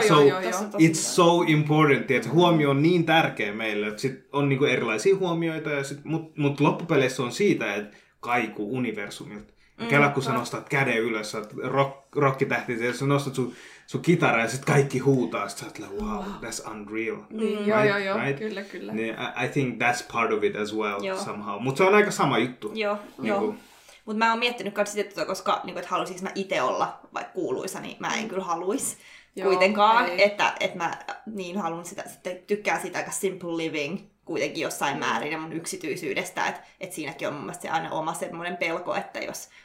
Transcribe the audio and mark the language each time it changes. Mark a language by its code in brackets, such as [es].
[en] It's so important, [fi] että huomio on niin tärkeä meille, että sit on niinku erilaisia huomioita, mutta loppupeleissä on siitä, että kaiku universumilta. Kela, kun sä nostat käden ylös, sä oot rockitähti, ja sä nostat sun kitara, ja sit kaikki huutaa, sit sä oot like, [en] wow, that's unreal. [fi] Joo, kyllä. [en] Niin, I think that's part of it as well, somehow. [fi] Mutta se on aika sama juttu. Joo. Mutta mä oon miettinyt myös sitä, että koska niinku, et haluaisinko mä itse olla vaikka kuuluisa, niin mä en kyllä haluaisi kuitenkaan. Ei. Että mä niin haluan sitä, sitten tykkään siitä aika simple living kuitenkin jossain määrin ja mun yksityisyydestä. Että siinäkin on mun mielestä aina oma semmoinen pelko, että jos...